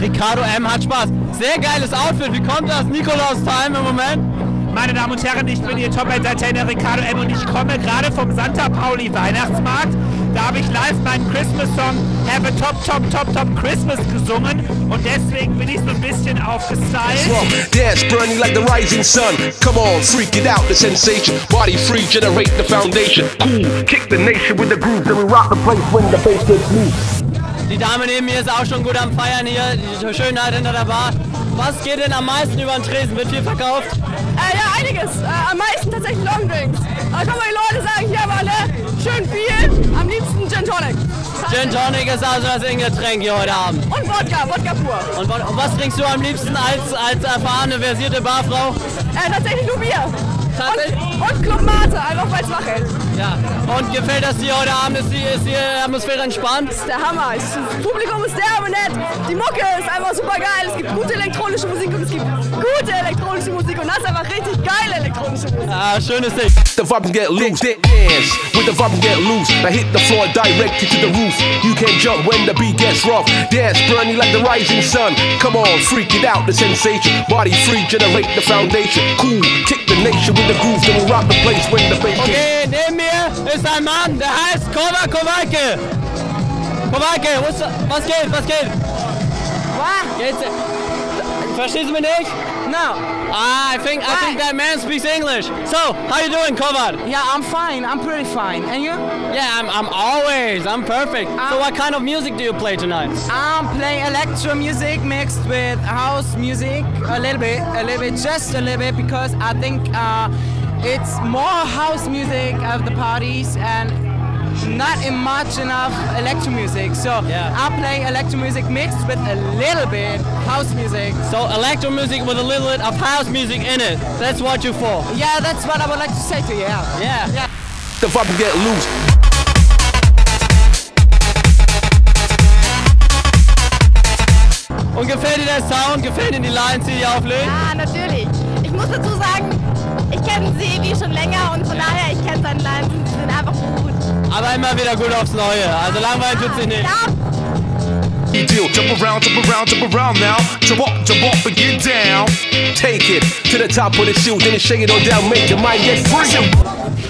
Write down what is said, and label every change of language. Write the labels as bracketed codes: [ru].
[de] Ricardo M. hat Spaß. Sehr geiles Outfit. Wie kommt das? Nikolaus-Time im Moment? Meine Damen und Herren, ich bin Ihr Top-Entertainer Ricardo M. und ich komme gerade vom Santa Pauli Weihnachtsmarkt. Da habe ich live meinen Christmas-Song Have a Top, Top, Top, Top Christmas gesungen und deswegen bin ich so ein bisschen aufgestylt. [en] Dance burning like the rising sun. Come on, freak it out, the sensation. Body free, generate the foundation. Cool, kick the nation with the groove. Then we rock the place when the bass gets loose. [de] Die Dame neben mir ist auch schon gut am Feiern hier. Die Schönheit hinter der Bar. Was geht denn am meisten über den Tresen? Wird viel verkauft? Ja, einiges. Am meisten tatsächlich Longdrinks. Aber guck mal, die Leute sagen hier aber alle schön viel. Am liebsten Gin Tonic. Gin Tonic ist also das Ingetränk hier heute Abend. Und Wodka, Wodka pur. Und was trinkst du am liebsten als erfahrene, versierte Barfrau? Tatsächlich nur Bier. Und Club Mate, einfach weil es wach ist. Ja. Und gefällt das dir heute Abend? Ist die Atmosphäre entspannt? Das ist der Hammer. Das Publikum ist derbe nett. Die Mucke ist einfach super geil. Es gibt gute elektronische Musik und es gibt gute elektronische Musik. Und das ist einfach richtig geile elektronische Musik. Ah, schönes Ding. [en] The vibes get loose. Dance with the vibes get loose. Now hit the floor directly to the roof. You can jump when the beat gets rough. Dance burning like the rising sun. Come on, freak it out, the sensation. Body free, generate the foundation. Cool, kick the nation. [de] Okay, neben mir ist ein Mann, der heißt Kova Kowalke. Kowalke, was geht? [en] What? [de] Verstehst du mich nicht? [en] No. I think that man speaks English. So, how you doing, Kova? Yeah, I'm fine. I'm pretty fine. And you? Yeah, I'm perfect. So what kind of music do you play tonight? I'm playing electro music mixed with house music. A little bit, because I think it's more house music at the parties and not much enough electro music. So yeah. I play electro music mixed with a little bit house music. So electro music with a little bit of house music in it. That's what you're for. Yeah, that's what I would like to say to you. Yeah. Yeah. The vibe get loose. [de] Und gefällt dir der Sound? Gefällt dir die Lines, die hier auflegen? Ja, natürlich. Ich muss dazu sagen, ich kenne sie wie schon länger und von daher, ich kenne seine Lines und sie sind einfach so gut. Aber immer wieder gut aufs Neue. Also langweilig tut sich nicht. [en] Ja. Deal. Jump around now. Jump up and get down. Take it to the top of the shield, then shake it on down, make your mind get free.